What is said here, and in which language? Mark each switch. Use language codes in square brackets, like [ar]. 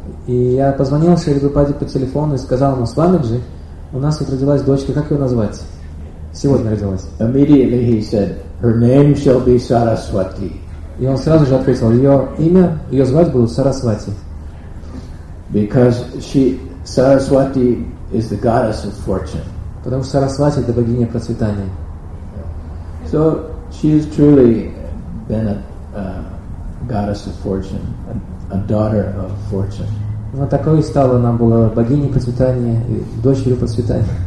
[ru] И я позвонил Шриле Прабхупаде по телефону и сказал ему, Свамиджи, у нас вот родилась дочка, как ее назвать? Сегодня родилась. [en] Immediately he said, her name shall be Сарасвати. [ru] И он сразу же ответил, ее имя, ее звать будут Сарасвати. [en] Because she Saraswati is the goddess of fortune. [ru] Потому что Сарасвати это богиня процветания. [en] So she has truly been a goddess of fortune, a daughter of fortune. [ru] Она такой стала, она была богиней процветания и дочерью процветания.